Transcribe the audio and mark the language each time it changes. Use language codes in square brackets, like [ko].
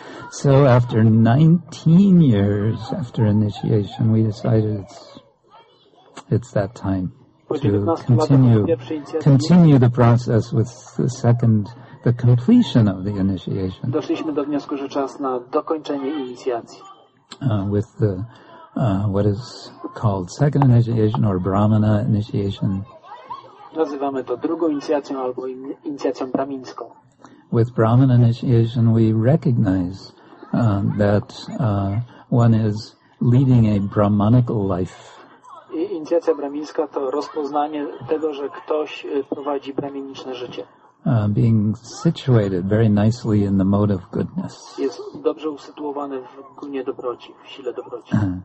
[en] So after 19 years after initiation, we decided it's that time to continue the process with the completion of the initiation. [pl] Doszliśmy do wniosku, że czas na dokończenie inicjacji. [en] With the what is called second initiation or Brahmana initiation. [pl] Nazywamy to drugą inicjacją albo inicjacją bramińską. [en] With Brahman initiation, we recognize that one is leading a Brahmanic life. [pl] Inicjacja bramińska to rozpoznanie tego, że ktoś prowadzi bramińskie życie. [en] Being situated very nicely in the mode of goodness. [pl] Jest dobrze usytuowany w gunie dobroci, w sile dobroci.